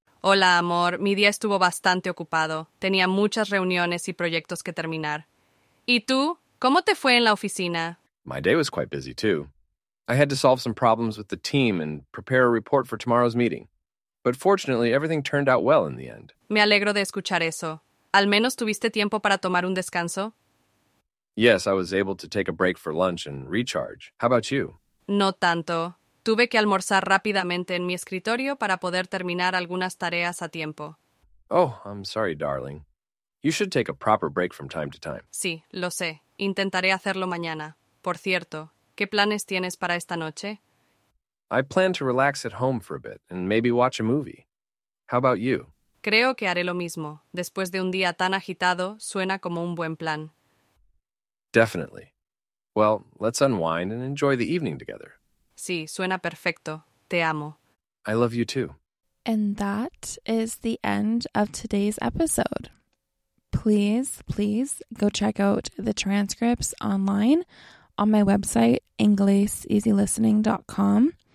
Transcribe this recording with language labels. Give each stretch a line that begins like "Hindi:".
Spanish: Hola, amor. Mi día estuvo bastante ocupado. Tenía muchas reuniones y proyectos que terminar. ¿Y tú? ¿Cómo te fue en la oficina?
English: My day was quite busy, too. I had to solve some problems with the team and prepare a report for tomorrow's meeting. But fortunately, everything turned out well in the end.
Spanish: Me alegro de escuchar eso. ¿Al menos tuviste tiempo para tomar un descanso?
English: Yes, I was able to take a break for lunch and recharge. How about you?
Spanish: No tanto. Tuve que almorzar rápidamente en mi escritorio para poder terminar algunas tareas a tiempo.
English: Oh, I'm sorry, darling. You should take a proper break from time to time.
Spanish: Sí, lo sé. Intentaré hacerlo mañana. Por cierto, ¿qué planes tienes para esta noche?
English: I plan to relax at home for a bit and maybe watch a movie. How about you?
Spanish: Creo que haré lo mismo. Después de un día tan agitado, suena como un buen plan.
English: Definitely. Well, let's unwind and enjoy the evening together.
Spanish: Sí, suena perfecto. Te amo.
English: I love you too. And that is the end of today's episode. Please, please go check out the transcripts online on my website, ingleseasylistening.com.